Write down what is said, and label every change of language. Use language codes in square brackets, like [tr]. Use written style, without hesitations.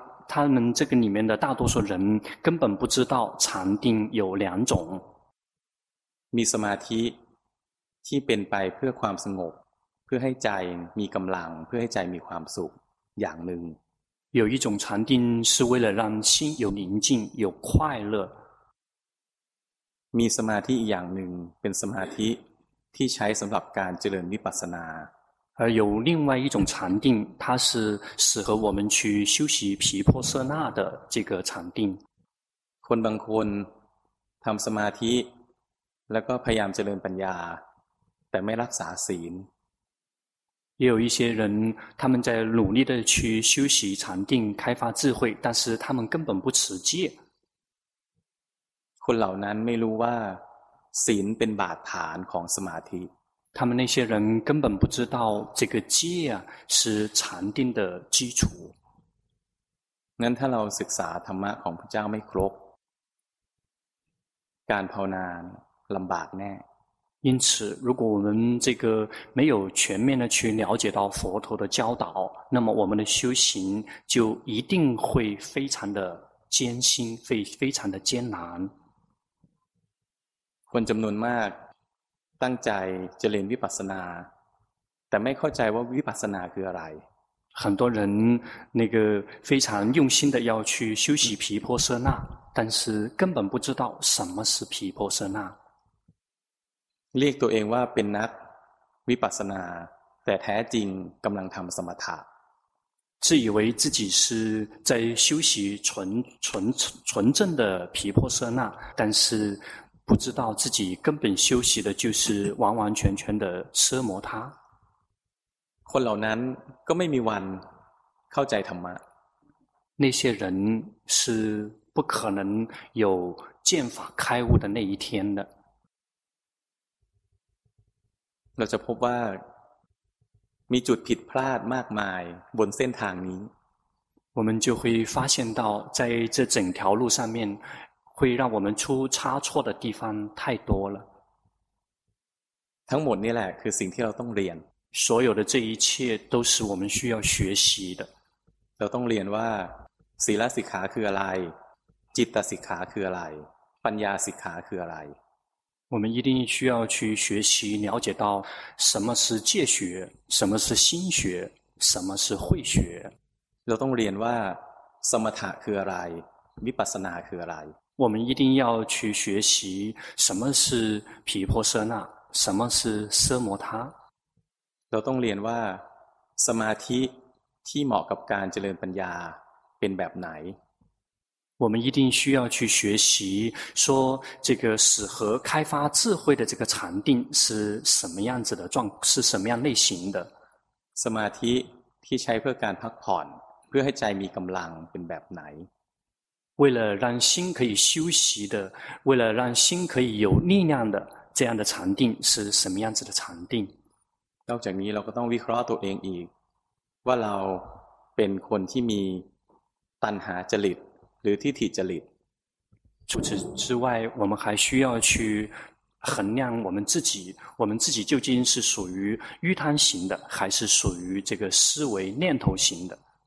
[zh] 他们这个里面的大多数人根本不知道禅定有两种 [th] มีสมาธิที่เป็นไปเพื่อความสงบเพื่อให้ใจมีกำลังเพื่อให้ใจมีความสุขอย่างหนึ่ง [zh] 有一种禅定是为了让心有宁静有快乐 [th] มีสมาธิอย่างหนึ่งเป็นสมาธิที่ใช้สำหรับการเจริญวิปัสสนา [zh] 而有另外一种禅定，它是适合我们去修习毗婆舍那的这个禅定。 [th] คนบางคนทำสมาธิแล้วก็พยายามเจริญปัญญาแต่ไม่รักษาศีล [zh] 也有一些人，他们在努力的去修习禅定，开发智慧，但是他们根本不持戒。 [th] คนเหล่านั้นไม่รู้ว่าศีลเป็นบาทฐานของสมาธิ [zh] 他们那些人根本不知道这个戒啊是禅定的基础。 [th] งั้นถ้าเราศึกษาธรรมะของพระเจ้าไม่ครบการภาวนาลำบากแน่ [zh] 因此如果我们这个没有全面的去了解到佛陀的教导那么我们的修行就一定会非常的艰辛会非常的艰难 [th] คนจำนวนมากตั้งใจจะเรียนวิปัสสนาแต่ไม่เข้าใจว่าวิปัสสนาคืออะไร [zh] 很多人那个非常用心的要去修习毗婆舍那但是根本不知道什么是毗婆舍那 [th] เรียกตัวเองว่าเป็นนักวิปัสสนาแต่แท้จริงกำลังทำสมถะ [zh] 自以为自己是在修习纯正的毗婆舍那但是不知道自己根本修习的就是完完全全的奢摩他 [th] คนเหล่านั้นก็ไม่มีวันเข้าใจธรรมะ [zh] 那些人是不可能有见法开悟的那一天的 [th] เราจะพบว่ามีจุดผิดพลาดมากมายบนเส้นทางนี้ [zh] 我们就会发现到在这整条路上面会让我们出差错的地方太多了 [th] ทั้งหมดนี่แหละคือสิ่งที่เราต้องเรียน [zh] 所有的这一切都是我们需要学习的 [th] เราต้องเรียนว่าศีลสิกขาคืออะไรจิตสิกขาคืออะไรปัญญาสิกขาคืออะไร [zh] 我们一定需要去学习了解到什么是戒学什么是心学什么是慧学 [th] เราต้องเรียนว่าสมถะคืออะไรวิปัสสนาคืออะไร [zh] 我们一定要去学习什么是毗婆舍那什么是奢摩他 [th] เราต้องเรียนว่าสมาธิที่เหมาะกับการเจริญปัญญาเป็นแบบไหน [zh] 我们一定需要去学习说这个适合开发智慧的这个禅定是什么样子的状是什么样类型的 [th] สมาธิที่ใช้เพื่อการพักผ่อนเพื่อให้ใจมีกำลังเป็นแบบไหน [zh] Why了让心可以休息的为了让心可以有力量的这样的禅定是什么样子的禅定 [th] นอกจากนี้เราก็ต้องวิเคราะห์ตัวเองอีกว่าเราเป็นคนที่มีตัณหาจริตหรือทิฏฐิจริต [zh] 除此之外我们还需要去衡量我们自己究竟是属于欲贪型的还是属于这个思维念头型的